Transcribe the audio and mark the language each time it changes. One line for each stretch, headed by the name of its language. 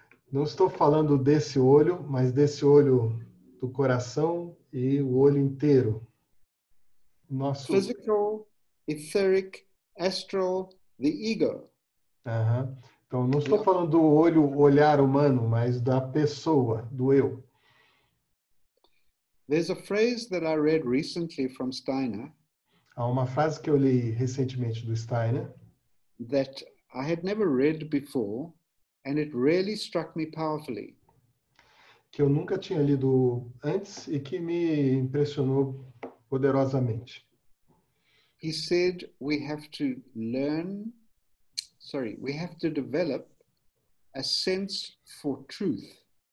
Portuguese: Não estou falando desse olho, mas desse olho do coração e o olho inteiro. Nosso
English: physical, etheric, astral, the ego. Uh-huh.
Portuguese: Então, não estou falando do olho, olhar humano, mas da pessoa, do eu.
English: There's a phrase that I read recently from Steiner.
Portuguese: Há uma frase que eu li recentemente do Steiner.
English: That I had never read before, and it really struck me powerfully.
Portuguese: Que eu nunca tinha lido antes e que me impressionou poderosamente.
English: He said we have to develop a sense for truth.